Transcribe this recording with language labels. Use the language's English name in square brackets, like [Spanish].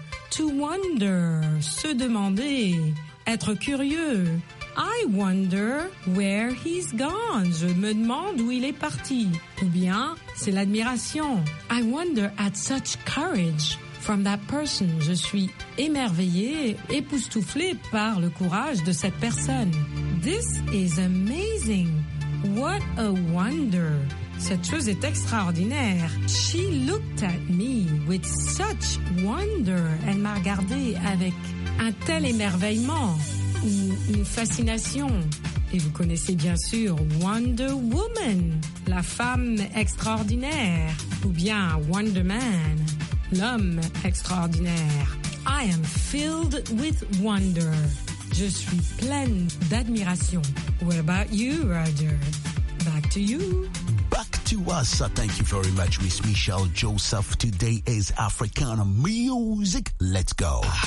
[English] To wonder, [French] se demander, être curieux. [English] I wonder where he's gone. [French] Je me demande où il est parti. Ou bien, c'est l'admiration. [English] I wonder at such courage from that person. [French] Je suis émerveillée, époustouflée par le courage de cette personne. [English] This is amazing. What a wonder. [French] Cette chose est extraordinaire. [English] She looked at me with such wonder. [French] Elle m'a regardé avec un tel émerveillement. Une fascination. Et vous connaissez bien sûr Wonder Woman, la femme extraordinaire. Ou bien Wonder Man, l'homme extraordinaire. [English] I am filled with wonder. [French] Je suis pleine d'admiration. [English] What about you, Roger? Back to you. Back to us. Thank you very much, Miss Michelle Joseph. Today is Africana Music. Let's go.